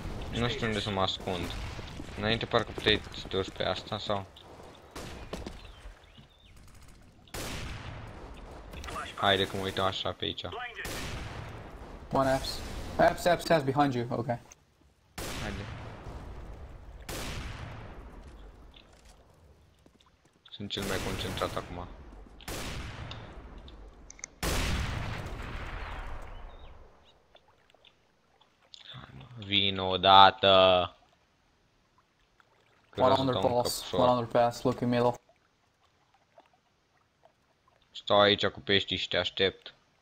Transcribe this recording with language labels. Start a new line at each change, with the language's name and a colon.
Romanian: Nu știu unde să mă ascund. Înainte parcă puteai să te urci pe asta sau? Haide că mă uităm așa pe aici.
English: One apps. Apps, apps, apps behind you, okay.
Romanian: Haide. Sunt cel mai concentrat acum. Vino odată.
English: One underpass, look in middle.
Romanian: Stau aici cu peștii și te aștept.